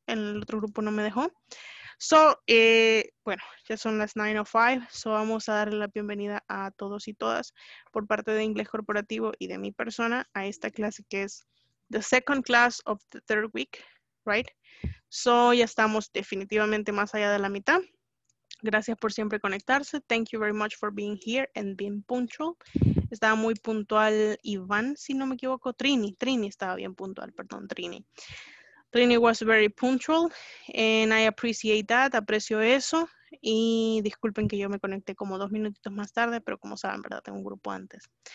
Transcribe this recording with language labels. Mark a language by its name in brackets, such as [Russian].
[Spanish] El otro grupo no me dejó. So, bueno, ya son las 9:05. So, vamos a darle la bienvenida a todos y todas por parte de Inglés Corporativo y de mi persona a esta clase que es [English] the second class of the third week, right? [Spanish] So, ya estamos definitivamente más allá de la mitad. Gracias por siempre conectarse. [English] Thank you very much for being here and being punctual. [Spanish] Estaba muy puntual Iván, si no me equivoco, Trini estaba bien puntual, perdón, Trini. [English] Trini was very punctual, and I appreciate that, [Spanish] aprecio eso, y disculpen que yo me conecté como dos minutitos más tarde, pero como saben, verdad, tengo un grupo antes.